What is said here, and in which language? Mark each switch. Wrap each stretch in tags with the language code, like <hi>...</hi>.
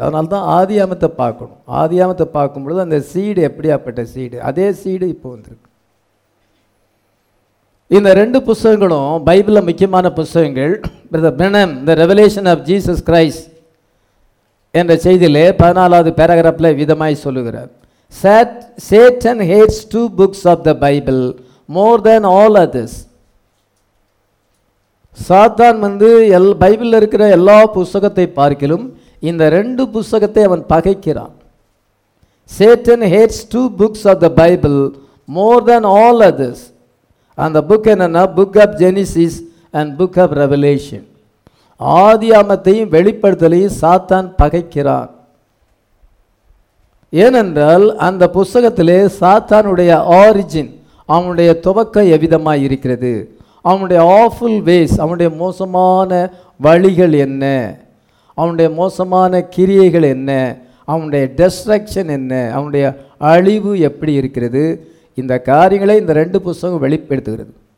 <ta>அதனால தான் ஆதியாமத்தை பார்க்கணும். ஆதியாமத்தை பார்க்கும்பொழுது அந்த சீடு எப்படியாப்பட்ட சீடு, அதே சீடு இப்போ வந்திருக்கு. இந்த ரெண்டு புஸ்தகங்களும் பைபிளில் முக்கியமான புஸ்தகங்கள். Brother பிரனம், the revelation of Jesus Christ, என்ற செய்தியிலே 14th பேராகிராஃப்ல விதமாய் சொல்லுகிறார்.</ta> <en>Satan hates two books of the Bible more than all others.</en> <ta>சாத்தான் வந்து பைபிளில் இருக்கிற எல்லா புஸ்தகத்தை பார்க்கிலும் இந்த ரெண்டு புஸ்தகத்தை அவன் பகைக்கிறான்.</ta> <en>Satan hates two books of the Bible more than all others.</en> <ta>அந்த புக் என்னன்னா</ta> <en>Book of Genesis and book of Revelation.</en> <ta>ஆதியாமத்தையும் வெளிப்படுத்தலையும் சாத்தான் பகைக்கிறான். ஏனென்றால் அந்த புஸ்தகத்திலே சாத்தானுடைய ஆரிஜின், அவனுடைய துவக்க எவ்விதமாக இருக்கிறது, அவனுடைய ஆஃபுல் வேஸ், அவனுடைய மோசமான வழிகள் என்ன, அவனுடைய மோசமான கிரியைகள் என்ன, அவனுடைய டெஸ்ட்ரக்ஷன் என்ன, அவனுடைய அழிவு எப்படி இருக்கிறது, இந்த காரியங்களை இந்த ரெண்டு புஸ்தகம் வெளிப்படுத்துகிறது.</ta>